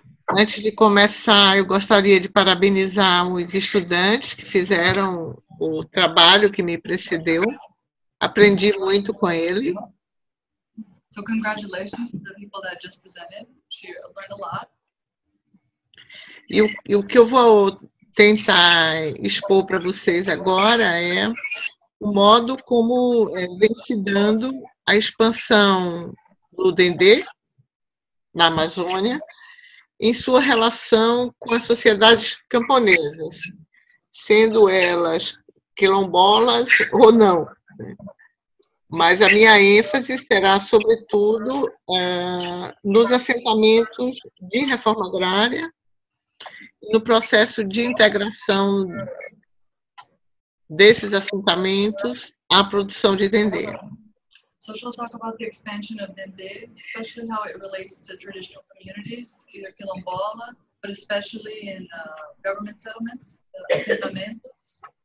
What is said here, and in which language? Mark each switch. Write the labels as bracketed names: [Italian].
[Portuguese] Antes de começar, eu gostaria de parabenizar os estudantes que fizeram o trabalho que me precedeu. Aprendi muito com ele. [English] So congratulations to the people that just presented. She learned a lot. [Portuguese] E o que eu vou tentar expor para vocês agora é o modo como vem se dando a expansão do Dendê na Amazônia em sua relação com as sociedades camponesas, sendo elas quilombolas ou não. Mas a minha ênfase será, sobretudo, nos assentamentos de reforma agrária, no processo de integração desses assentamentos à produção de dendê. [English] So she'll talk about the expansion of dendê, especially how it relates to traditional communities, either quilombola, but especially in government settlements, assentamentos.